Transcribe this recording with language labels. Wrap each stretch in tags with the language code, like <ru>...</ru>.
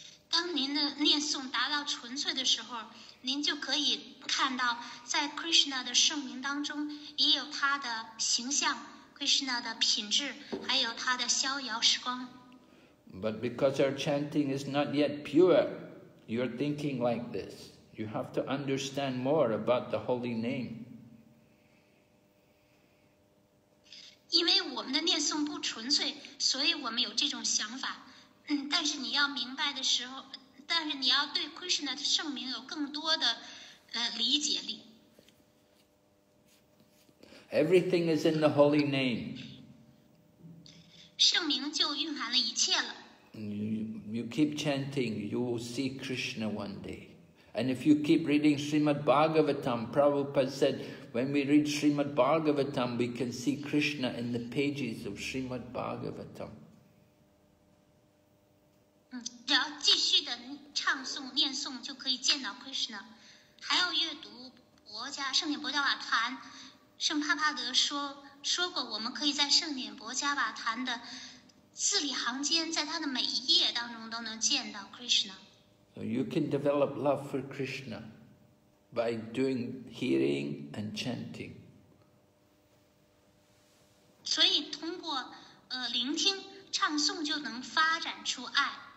<zh>当您的念诵达到纯粹的时候，您就可以看到在 Krishna 的圣名当中也有他的形象， Krishna 的品质，还有他的逍遥时光。</zh> <en>But because our chanting is not yet pure, you're thinking like this. You have to understand more about the holy name.</en> <zh>因为我们的念诵不纯粹，所以我们有这种想法。但是你要明白的时候，但是你要对 Krishna 的圣名有更多的理解力。</zh> <en>Everything is in the holy name.</en> <zh>圣名就蕴含了一切了。</zh> <en>You keep chanting, you will see Krishna one day. And if you keep reading Srimad Bhagavatam, Prabhupada said, when we read Srimad Bhagavatam, we can see Krishna in the pages of Srimad Bhagavatam.</en> <zh>只要继续的唱诵念诵就可以见到 Krishna。还要阅读博家圣典博家瓦坛，圣帕帕德说过我们可以在圣典博家瓦坛的字里行间，在他的每一页当中都能见到 Krishna。</zh> <en>So you can develop love for Krishna by doing hearing and chanting。</en> <zh>所以通过聆听唱诵就能发展出爱。</zh>